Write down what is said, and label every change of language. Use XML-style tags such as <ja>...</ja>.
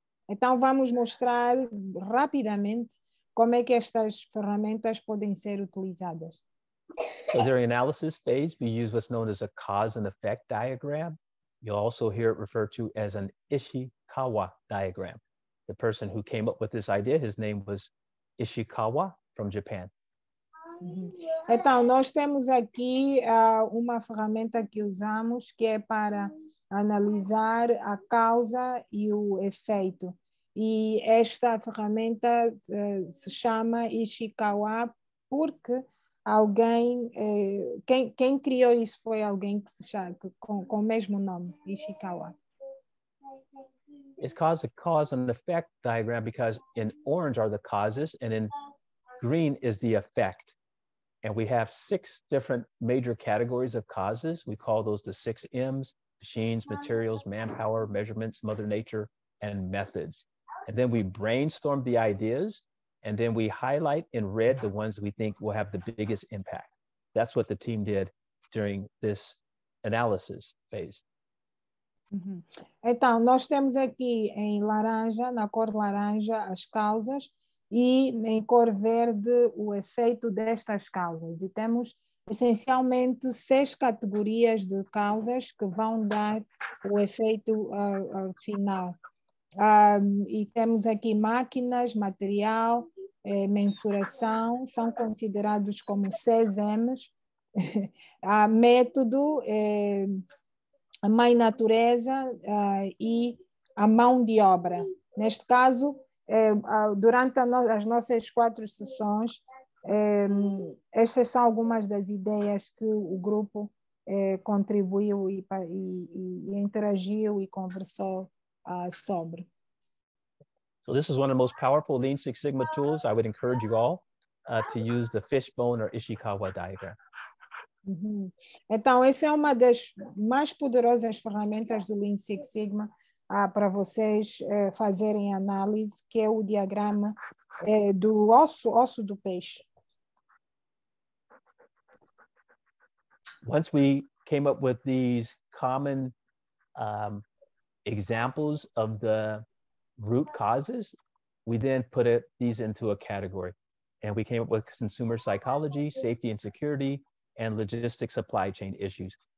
<pt>Então vamos mostrar rapidamente como é que estas ferramentas podem ser utilizadas.</pt> <en>So during analysis phase, we use what's known as a cause and effect diagram. You'll also hear it referred to as an Ishikawa diagram. The person who came up with this idea, his name was Ishikawa from Japan.</en> <pt>Então, nós temos aqui uma ferramenta que usamos que é para analisar a causa e o efeito. E esta ferramenta se chama Ishikawa porque alguém, quem criou isso foi alguém que se chama com o mesmo nome, Ishikawa.</pt> <en>It's called a cause and effect diagram because in orange are the causes and in green is the effect. And we have six different major categories of causes. We call those the six M's: machines, materials, manpower, measurements, mother nature, and methods. And then we brainstorm the ideas, and then we highlight in red the ones we think will have the biggest impact. That's what the team did during this analysis phase. Uhum.</en> <pt>Então, nós temos aqui em laranja, na cor laranja, as causas, e em cor verde, o efeito destas causas. E temos, essencialmente, seis categorias de causas que vão dar o efeito final. E temos aqui máquinas, material, mensuração, são considerados como CSMs, método, a mãe natureza e a mão de obra. Neste caso, durante as nossas quatro sessões, estas são algumas das ideias que o grupo contribuiu e interagiu e conversou sobre.</pt> <en>So this is one of the most powerful Lean Six Sigma tools. I would encourage you all to use the fishbone or Ishikawa diagram. Uhum.</en> <pt>Então, essa é uma das mais poderosas ferramentas do Lean Six Sigma para vocês fazerem análise, que é o diagrama do osso do peixe.</pt> <en>Once we came up with these common examples of the root causes, we then put these into a category. And we came up with consumer psychology, safety and security, and logistic supply chain issues.</en>